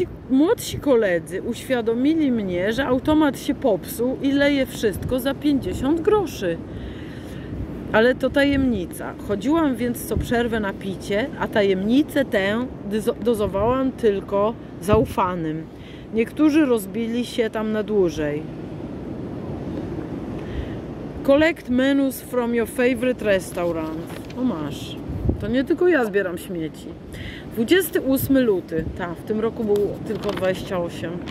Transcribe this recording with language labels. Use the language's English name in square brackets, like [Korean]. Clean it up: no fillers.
[Polish] Młodsi koledzy uświadomili mnie, że automat się popsuł i leje wszystko za 50 groszy. Ale to tajemnica. Chodziłam więc co przerwę na picie, a tajemnicę tę dozowałam tylko zaufanym. Niektórzy rozbili się tam na dłużej. [English] Collect menus from your favorite restaurant. [Polish] O masz. To nie tylko ja zbieram śmieci. 28 luty, ta, w tym roku było tylko 28.